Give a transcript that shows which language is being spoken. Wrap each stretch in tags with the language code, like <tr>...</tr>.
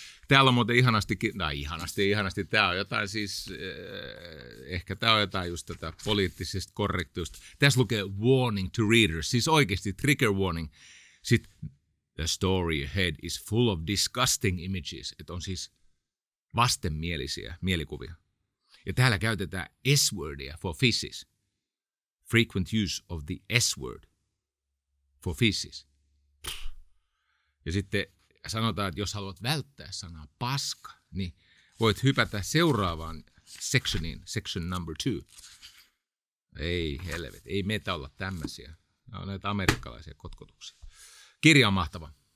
<fi>Täällä on muuten ihanasti, tämä on jotain siis, ehkä tämä on jotain just tätä poliittisesta korrektiusta. Tässä lukee</fi> <en>warning to readers,</en> <fi>siis oikeasti trigger warning. Sitten</fi> <en>the story ahead is full of disgusting images,</en> <fi>että on siis vastenmielisiä mielikuvia. Ja täällä käytetään S-wordia</fi> <en>for feces. Frequent use of the S-word for feces.</en> <fi>Ja sitten sanotaan, että jos haluat välttää sanaa paska, niin voit hypätä seuraavaan sectioniin, section number two. Ei helvet, ei meitä olla tämmöisiä. Nämä on näitä amerikkalaisia kotkotuksia. Kirja on mahtava.</fi>